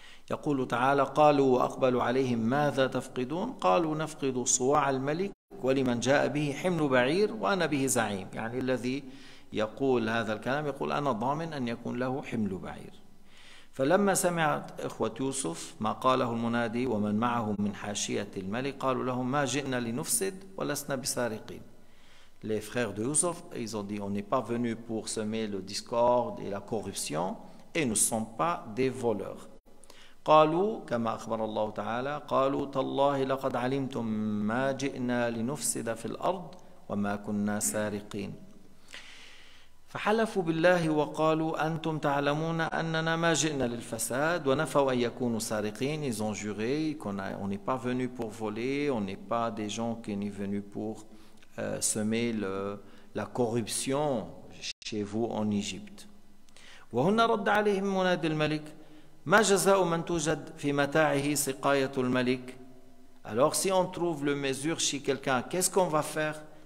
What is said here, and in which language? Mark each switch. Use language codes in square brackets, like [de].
[ar] يقول تعالى قالوا وأقبلوا عليهم ماذا تفقدون قالوا نفقد صواع الملك ولمن جاء به حمل بعير وأنا به زعيم يعني الذي يقول هذا الكلام يقول أنا ضامن أن يكون له حمل بعير. فلما سمعت إخوة يوسف ما قاله المنادي ومن معه من حاشية الملك قالوا لهم ما جئنا لنفسد ولسنا بسارقين. [fr] Les frères de Youssef, ils ont dit, on n'est pas venu pour semer le discorde et la corruption, et nous ne sommes pas des voleurs. [ar] قالوا كما أخبر الله تعالى قالوا تالله لقد علمتم ما جئنا لنفسد في الأرض وما كنا سارقين فحلفوا بالله وقالوا أنتم تعلمون أننا ما جئنا للفساد ونفوا أن يكونوا سارقين. [fr] Ils ont juré qu'on n'est pas venu pour voler, on n'est pas des gens qui sont venus pour semer la corruption chez vous en Égypte. [ar] وهنا رد عليهم منادي الملك ما جزاء من توجد في متاعه سقاية الملك. [fr] Alors si on trouve le mesure chez quelqu'un, qu'est-ce qu'on va faire?